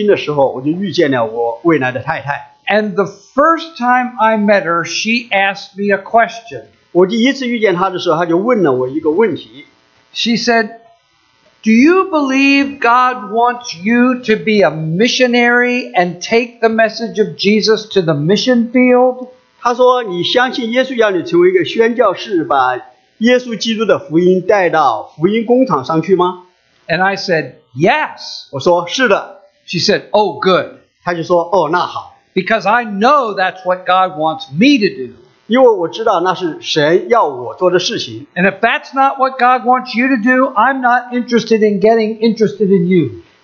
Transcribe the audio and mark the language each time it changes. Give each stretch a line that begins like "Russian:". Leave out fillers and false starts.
Chinese: 当我在大学潜心读圣经的时候,我就遇见了我未来的太太。
English: And the first time I met her, she asked me a question.
Chinese: 我第一次遇见她的时候,她就问了我一个问题。
English: She said, do you believe God wants you to be a missionary and take the message of Jesus to the mission field?
Chinese: 她说,你相信耶稣要你成为一个宣教士,把耶稣基督的福音带到福音工厂上去吗?
English: And I said, yes.
Chinese: 我说,是的。
English: She said, oh, good.
Chinese: 她就说,哦,那好。
English: Because I know that's what God wants me to do.
Chinese: 因为我知道那是神要我做的事情。
English: And if that's not what God wants you to do, I'm not interested in getting interested in you.